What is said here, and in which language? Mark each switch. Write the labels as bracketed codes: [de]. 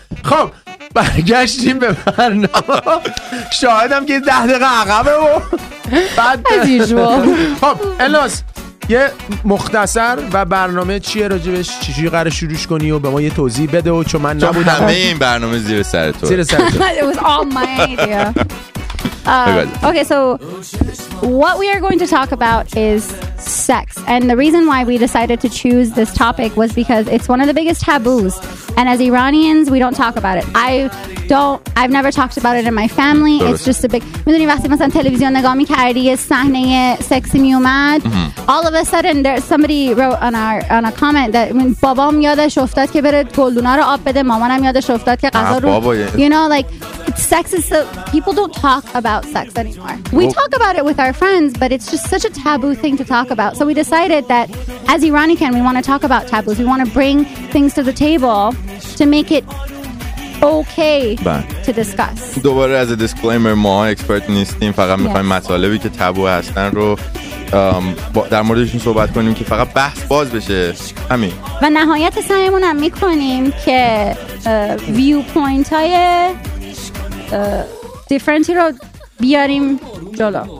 [fa] خب برگشتیم به برنامه. شاهدم که 10 دقیقه عقبه و بعد از یوزوال. خب الناس یه مختصر و برنامه چیه راجبش چی قراره شروعش کنی و به ما یه توضیح بده و چون من نبودم همه این برنامه زیر سر تو زیر سر تو. [en] It was all my idea. Okay, so what we are going to talk about is sex. And the reason why we decided to choose this topic was because it's one of the biggest taboos. And as Iranians, we don't talk about it. I've never talked about it in my family. درست. It's just a big... [fa] میدونی وقتی مثلا تلویزیون نگاه میکردی یه صحنه سکسی میومد. [en] All of a sudden, there's somebody wrote on a comment that [fa] بابام یادش افتاد که بره گلدونا رو آب بده. مامانم یادش افتاد که قضا رو... [en] You know, like, sex is so... People don't talk about sex anymore. We talk about it with our friends, but it's just such a taboo thing to talk about. So we decided that as Iranican, we want to talk about taboos. We want to bring things to the table to make it... Okay to discuss. [fa] دوباره از دیسکلیمر ما اکسپرت نیستیم، فقط می‌خوایم مطالبی که تابو هستن رو در موردشون صحبت کنیم که فقط بحث باز بشه. همین. و نهایت سعیمون هم می‌کنیم که ویو پوینت های دیفرنتی رو بیاریم جلو.